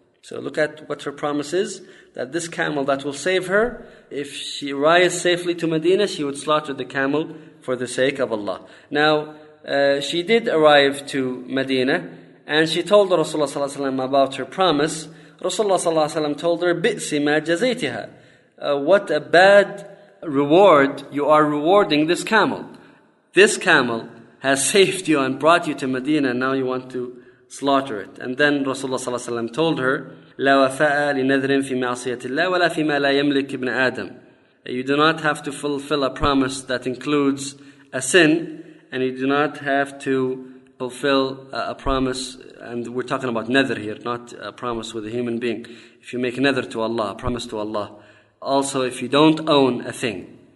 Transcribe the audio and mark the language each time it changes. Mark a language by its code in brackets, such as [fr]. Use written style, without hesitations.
[en] So look at what her promise is, that this camel that will save her, if she arrives safely to Medina, she would slaughter the camel for the sake of Allah. Now, she did arrive to Medina, and she told Rasulullah ﷺ about her promise. [ar] Rasulullah ﷺ [en] told her, [ar] بِئْسِ مَا جَزَيْتِهَا. [en] What a bad reward you are rewarding this camel. This camel has saved you and brought you to Medina, and now you want to slaughter it. And then Rasulullah ﷺ told her, [ar] لَا وَفَاءَ لِنَذْرٍ فِي مَعْصِيَةِ اللَّهِ وَلَا فِي مَا لَا يَمْلِكِ ابْنَ آدَمٍ. [en] You do not have to fulfill a promise that includes a sin, and you do not have to fulfill a promise, and we're talking about nadr here, not a promise with a human being. If you make nadr to Allah, a promise to Allah. Also, if you don't own a thing.